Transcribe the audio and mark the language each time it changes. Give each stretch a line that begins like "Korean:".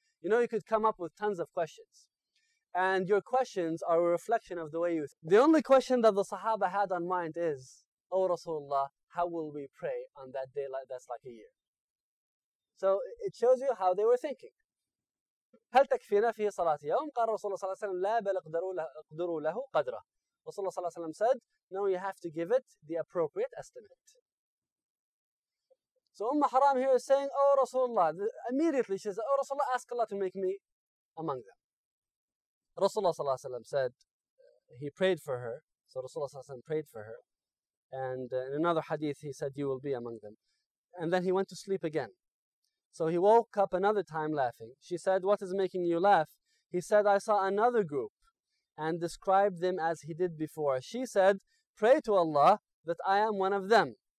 English: You know, you could come up with tons of questions. And your questions are a reflection of the way you think. The only question that the Sahaba had on mind is, O Rasulullah, how will we pray on that day that's like a year? So it shows you how they were thinking.
Arabic: هل تكفينا فيه صلاة يوم؟ قال رسول الله صلى الله عليه وسلم لا بل اقدروا له قدره. رسول الله صلى الله عليه وسلم
English: said, no, you have to give it the appropriate estimate. So Umm Haram here is saying, oh Rasulullah, immediately she says, oh Rasulullah, ask Allah to make me among them.
Arabic: رسول الله صلى الله عليه وسلم
English: said, he prayed for her. So رسول الله صلى الله عليه وسلم prayed for her. And in another hadith he said, you will be among them. And then he went to sleep again. So he woke up another time laughing. She said, what is making you laugh? He said, I saw another group and described them as he did before. She said, pray to Allah that I am one of them.